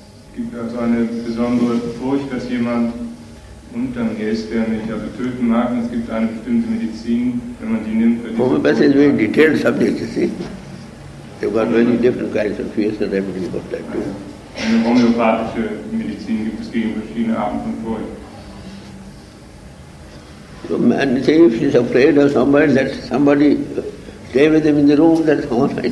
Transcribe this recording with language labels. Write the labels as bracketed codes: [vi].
[de] Es gibt also eine besondere Furcht, dass jemand unter mir ist, der mich also töten mag. Und es gibt eine bestimmte Medizin, wenn man die nimmt, wird diese Furcht... [en] Homeopathy is very detailed subject, you see. They've got many different kinds of fears and everything about that too. [de] Eine homeopathische Medizin gibt es gegen verschiedene Arten von Furcht. [en] So man, see, if he's afraid of somebody, let somebody stay with him in the room, that's all right.